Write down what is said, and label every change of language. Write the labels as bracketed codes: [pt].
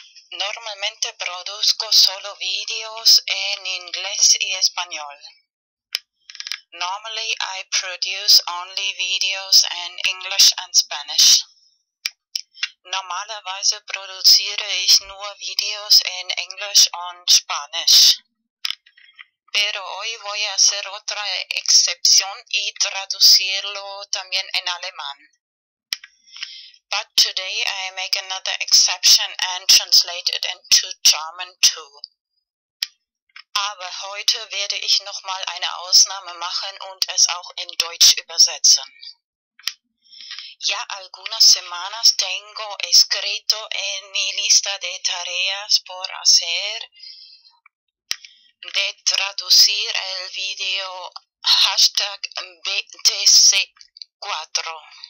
[es] Normalmente produzco solo videos en inglés y español. [en] Normally I produce only videos in English and Spanish. [de] Normalerweise produziere ich nur videos in English und Spanisch. [es] Pero hoy voy a hacer otra excepción y traducirlo también en alemán. [en] But today I make another exception and translate it into German too. [de] Aber heute werde ich nochmal eine Ausnahme machen und es auch in Deutsch übersetzen. [es] Ya algunas semanas tengo escrito en mi lista de tareas por hacer de traducir el video hashtag BTC4.